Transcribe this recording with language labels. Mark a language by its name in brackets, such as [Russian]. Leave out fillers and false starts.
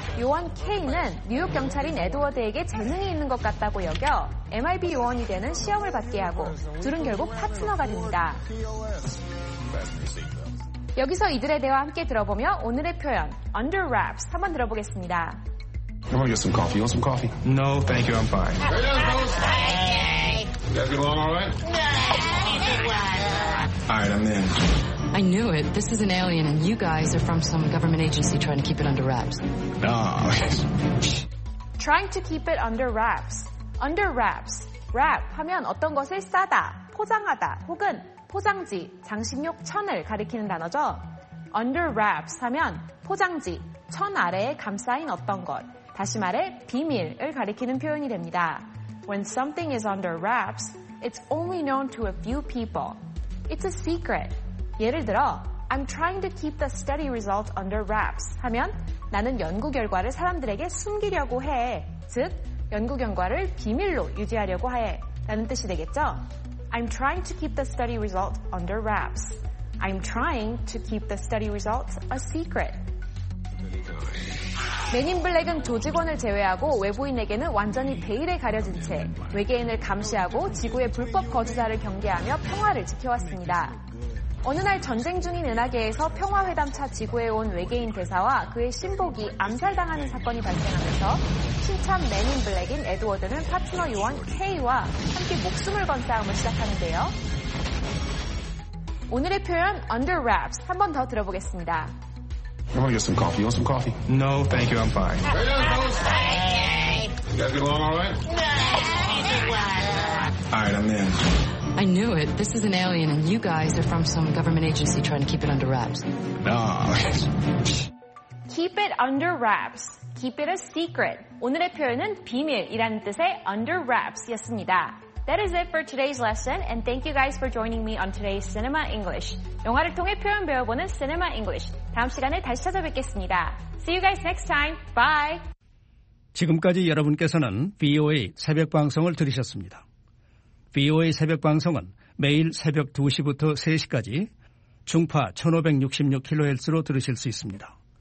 [Korean] 요원 K는 뉴욕 경찰인 에드워드에게 재능이 있는 것 같다고 여겨 MIB 요원이 되는 시험을 받게 하고 둘은 결국 파트너가 됩니다. 여기서 이들의 대화 함께 들어보며 오늘의 표현 Under Wraps 한번 들어보겠습니다. [English] I want to get some coffee. You want some coffee? No, thank you. I'm fine. Where are those folks? Hey. You guys get along all right? Yeah. All right, I'm in. I knew it. This is an alien, and you guys are from some government agency trying to keep it under wraps. Trying to keep it under wraps. Under wraps. [Korean] Wrap 하면 어떤 것을 싸다, 포장하다, 혹은 포장지, 장식용 천을 가리키는 단어죠. Under wraps 하면 포장지, 천 아래에 감싸인 어떤 것, 다시 말해 비밀을 가리키는 표현이 됩니다. [English] When something is under wraps, it's only known to a few people. It's a secret. [Korean] 예를 들어, [English] I'm trying to keep the study result under wraps [Korean] 하면 나는 연구 결과를 사람들에게 숨기려고 해. 즉, 연구 결과를 비밀로 유지하려고 해. 라는 뜻이 되겠죠? [English] I'm trying to keep the study result under wraps. I'm trying to keep the study result a secret. [Korean] 맨인블랙은 조직원을 제외하고 외부인에게는 완전히 베일에 가려진 채 외계인을 감시하고 지구의 불법 거주자를 경계하며 평화를 지켜왔습니다. 어느 날 전쟁 중인 은하계에서 평화회담차 지구에 온 외계인 대사와 그의 신복이 암살당하는 사건이 발생하면서 신참 맨인블랙인 에드워드는 파트너 요원 K와 함께 목숨을 건 싸움을 시작하는데요. 오늘의 표현 Under Wraps 한 번 더 들어보겠습니다. [English] I want to get some coffee. You want some coffee? No, thank you. I'm fine. Where are those folks? Hey. You guys get along all right? Yeah. All right, I'm in. I knew it. This is an alien, and you guys are from some government agency trying to keep it under wraps. Keep it under wraps. Keep it a secret. [Korean] 오늘의 표현은 비밀이라는 뜻의 under wraps였습니다. [English] That is it for today's lesson, and thank you guys for joining me on today's Cinema English. [Korean] 영화를 통해 표현 배워보는 Cinema English. 다음 시간에 다시 찾아뵙겠습니다. [English] See you guys next time. Bye! [Korean] 지금까지 여러분께서는 VOA 새벽 방송을 들으셨습니다. VOA 새벽 방송은 매일 새벽 2시부터 3시까지 중파 1566kHz로 들으실 수 있습니다.